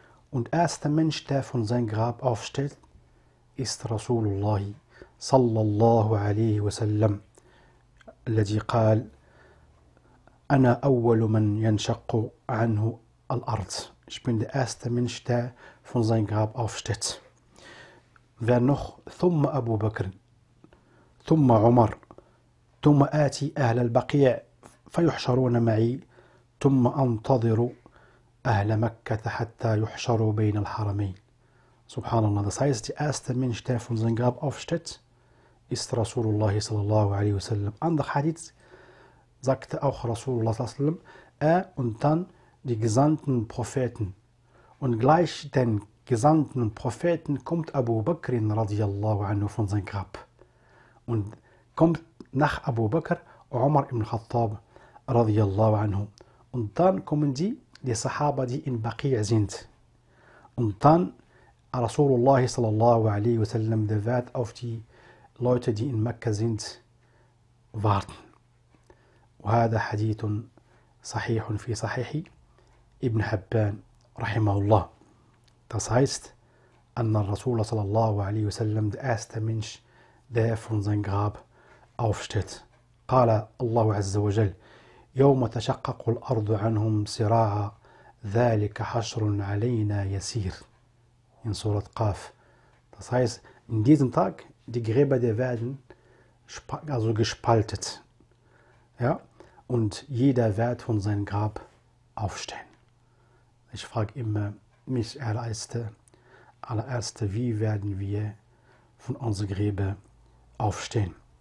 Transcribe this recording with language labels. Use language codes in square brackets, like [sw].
[de] Und erster Mensch, der von seinem Grab aufsteht, ist Rasulullah sallallahu alaihi wasallam, [ar] الذي قال أنا أول من ينشق عنه الأرض. [de] Ich bin der erste Mensch, der von seinem Grab aufsteht. Wer noch? [ar] ثم أبو بكر ثم عمر ثم آتي أهل البقيع فيحشرون معي ثم أنتظر أهل مكة حتى يحشروا بين الحرمين. سبحان الله. [de] Das heißt, der erste Mensch, der von seinem Grab aufsteht, ist Rasulullah sallallahu alaihi wasallam. Andere Hadith sagte auch Rasulullah sallallahu alaihi wasallam, er und dann die gesandten Propheten. Und gleich den gesandten Propheten kommt Abu Bakr radiallahu anhu von seinem Grab. Und kommt nach Abu Bakr Umar ibn Khattab radiallahu anhu. Und dann kommen die Sahaba, die in Baqi' sind. Und dann Rasulullah sallallahu alaihi wasallam, der wird auf die Leute, die in Mekka sind, warten. [ar] وهذا حديث صحيح في صحيح ابن حبان رحمه الله. [de] Das heißt, [ar] أن الرسول صلى الله عليه وسلم [de] der erste Mensch, der von seinem Grab aufsteht. [ar] قال الله عز وجل يوم تشقق الأرض عنهم سراعا ذلك حشر علينا يسير. [de] In سورة قاف. Das heißt, in diesem Tag die Gräber, die werden also gespaltet. Ja? Und jeder wird von seinem Grab aufstehen. Ich frage immer mich allererste, wie werden wir von unserer Gräber aufstehen?